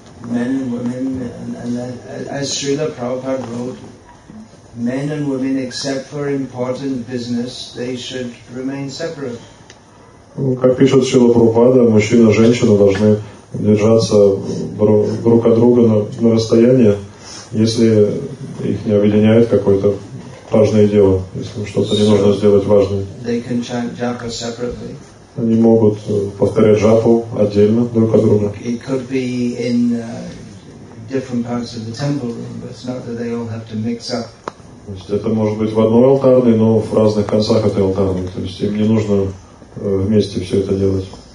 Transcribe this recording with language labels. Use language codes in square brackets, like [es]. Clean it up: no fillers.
[en] Men and women, and as Srila Prabhupada wrote, men and women, except for important business, they should remain separate. [ru] Как пишет Шрила Прабхупада, мужчина и женщина должны держаться друг от друга на расстоянии, если их не объединяет какое-то важное дело, если что-то не нужно сделать важное. [en] They can chant japa separately. [ru] Они могут повторять джапу отдельно друг от друга. [en] It could be in different parts of the temple room, but it's not that they all have to mix up. [ru] То есть это может быть в одной алтарной, но в разных концах этой алтарной. То есть им не нужно вместе все это делать.